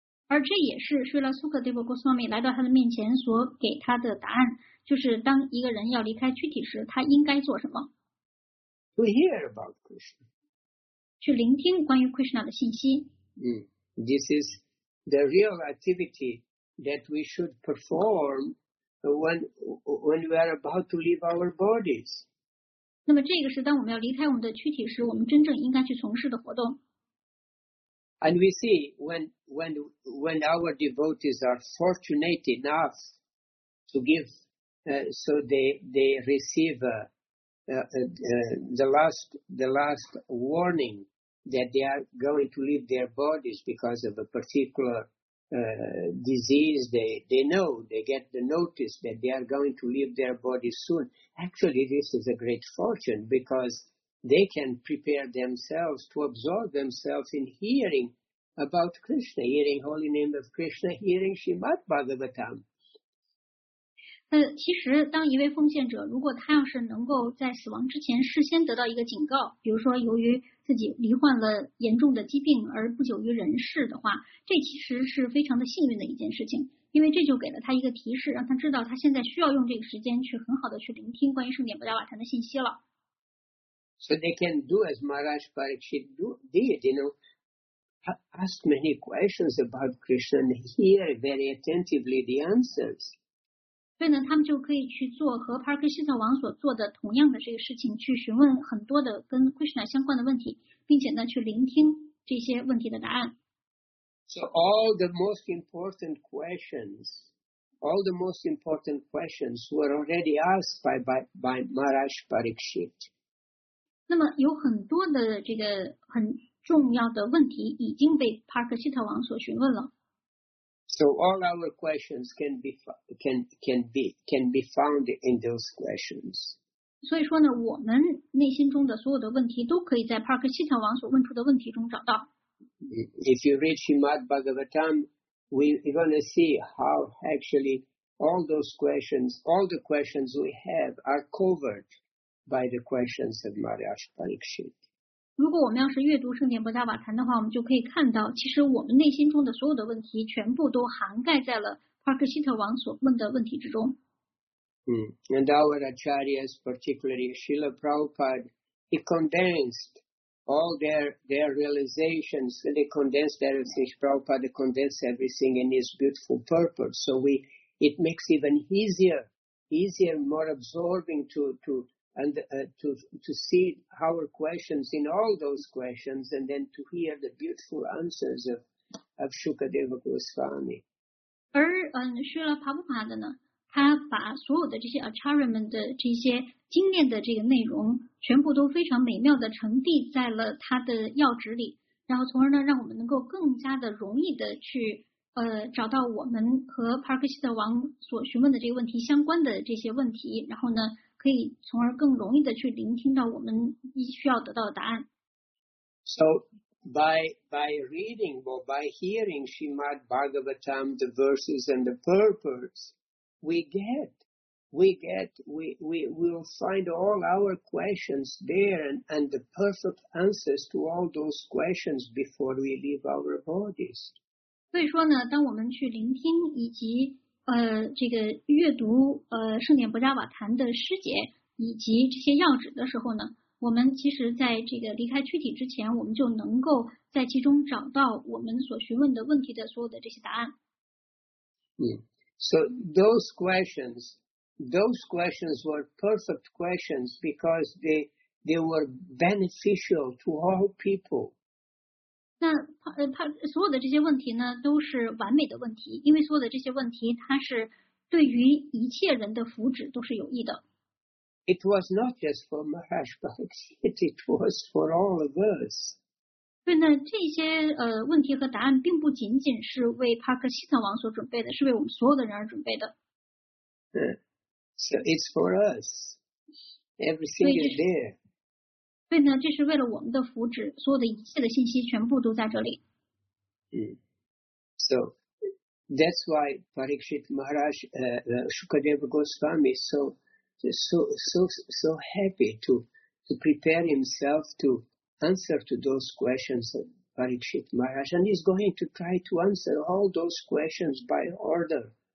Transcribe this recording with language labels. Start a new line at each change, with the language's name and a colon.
Chinese: 而这也是 Srila Shukadeva Goswami 来到他的面前所给他的答案，就是当一个人要离开躯体时，他应该做什么？
English: To hear about Krishna.
Chinese: 去聆听关于 Krishna 的信息。
English: This is the real activity that we should perform when we are about to leave our bodies.
Chinese: 那么这个是当我们要离开我们的躯体时，我们真正应该去从事的活动。
English: And we see when our devotees are fortunate enough to give, so they receive the last warning that they are going to leave their bodies because of a particular disease, they know, they get the notice that they are going to leave their body soon. Actually, this is a great fortune because they can prepare themselves to absorb themselves in hearing about Krishna, hearing holy name of Krishna, hearing Srimad Bhagavatam.
Chinese: 其实当一位奉献者如果他要是能够在死亡之前事先得到一个警告，比如说由于自己罹患了严重的疾病而不久于人世的话，这其实是非常的幸运的一件事情，因为这就给了他一个提示，让他知道他现在需要用这个时间去很好的去聆听关于圣典波迦瓦坛的信息了。
English: So they can do as Maharaj Parikshit did, you know, ask many questions about Krishna and hear very attentively the answers.
Chinese: 所以呢，他们就可以去做和帕克西特王所做的同样的这个事情，去询问很多的跟 Krishna 相关的问题，并且呢，去聆听这些问题的答案。
English: So all the most important questions were already asked by Maharaj Parikshit.
Chinese: 那么有很多的这个很重要的问题已经被帕克西特王所询问了。
English: So all our questions can be found in those questions.
Chinese: 所以说呢，我们内心中的所有的问题都可以在帕克西特王所问出的问题中找到。
English: If you read Srimad Bhagavatam, we're going to see how actually all those questions, all the questions we have are covered by the questions of Maharaj Parikshit.
Chinese: 如果我们要是阅读圣典波迦瓦坛的话，我们就可以看到其实我们内心中的所有的问题全部都涵盖在了帕克西特王所问的问题之中。
English: And our acharyas, particularly Srila Prabhupada, he condensed all their realizations, and he condensed everything. Prabhupada condensed everything in his beautiful purpose. So it makes even easier, more absorbing to see our questions in all those questions and then to hear the beautiful answers of Shukadeva Goswami.
Chinese: 而Srila Prabhupada呢，他把所有的这些 acharya 们的这些精炼的这个内容全部都非常美妙的呈递在了他的要旨里，然后从而呢让我们能够更加的容易的去找到我们和帕克西特王所询问的这个问题相关的这些问题，然后呢可以从而更容易的去聆听到我们需要得到的答案。
English: So by reading or by hearing Srimad Bhagavatam, the verses and the purports, we get we will find all our questions there and the perfect answers to all those questions before we leave our bodies.
Chinese: 所以说呢，当我们去聆听以及这个阅读圣典伯加瓦坛的师姐以及这些要旨的时候呢，我们其实在这个离开躯体之前，我们就能够在其中找到我们所询问的问题的所有的这些答案。
English: So those questions were perfect questions because they were beneficial to all people.
Chinese: 那他所有的这些问题呢，都是完美的问题，因为所有的这些问题，它是对于一切人的福祉都是有益的。
English: It was not just for Mahesh Bhakti, it was for all of us.
Chinese: 对呢，这些问题和答案并不仅仅是为帕克西特王所准备的，是为我们所有的人而准备的。
English: So it's for us. Everything is there.
Chinese: 对呢，这是为了我们的福祉，所有的一切的信息全部都在这里。
English: So that's why Parikshit Maharaj, Shukadeva Goswami, so happy to prepare himself to answer to those questions of Parikshit Maharaj, and he's going to try to answer all those questions by order.